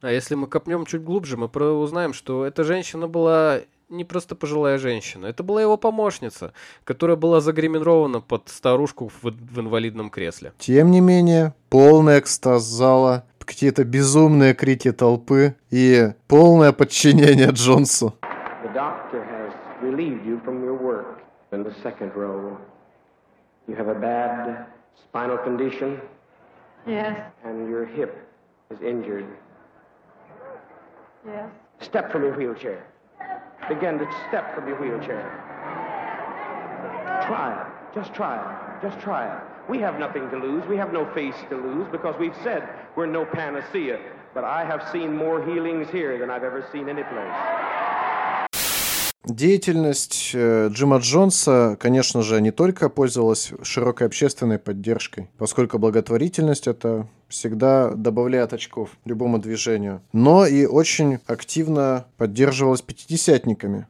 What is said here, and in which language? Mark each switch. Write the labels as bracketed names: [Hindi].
[Russian] А если мы копнем чуть глубже, мы узнаем, что эта женщина была не просто пожилая женщина, это была его помощница, которая была загримирована под старушку в инвалидном кресле. Тем не менее, полный экстаз зала, какие-то безумные крики толпы и полное подчинение Джонсу. [English] The doctor has relieved you from your work in the second row. You have a bad spinal condition. Yes. And your hip is injured. Yes. Step from your wheelchair. begin to step from your wheelchair. Try it. Just try it. Just try it. We have nothing to lose. We have no face to lose because we've said we're no panacea. But I have seen more healings here than I've ever seen any place. [Russian] Деятельность Джима Джонса, конечно же, не только пользовалась широкой общественной поддержкой, поскольку благотворительность — это всегда добавляет очков любому движению, но и очень активно поддерживалась пятидесятниками.